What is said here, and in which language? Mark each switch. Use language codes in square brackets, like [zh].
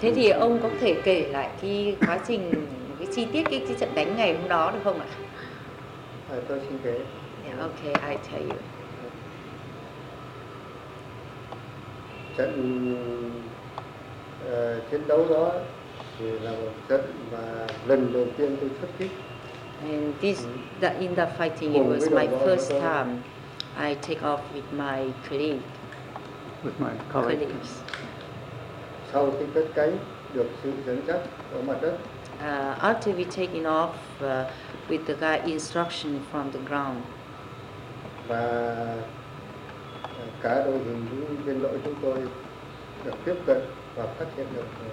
[vi] Thế thì ông có thể kể lại cái quá trình cái chi tiết cái trận đánh ngày hôm đó được không ạ? Tôi xin kể. [en] Yeah, okay, I tell you. [vi] Trận chiến đấu đó thì là một trận mà lần đầu tiên tôi xuất kích. [en] And this, that in the fighting, it was my first time I take off with my colleague. With my colleagues. Colleagues. [vi] Sau khi cất cánh, được sự dẫn dắt ở mặt đất. [en] After we taking off with the guy instruction from the ground. [vi] Và cả đội hình những viên đội chúng tôi được tiếp cận và phát hiện được.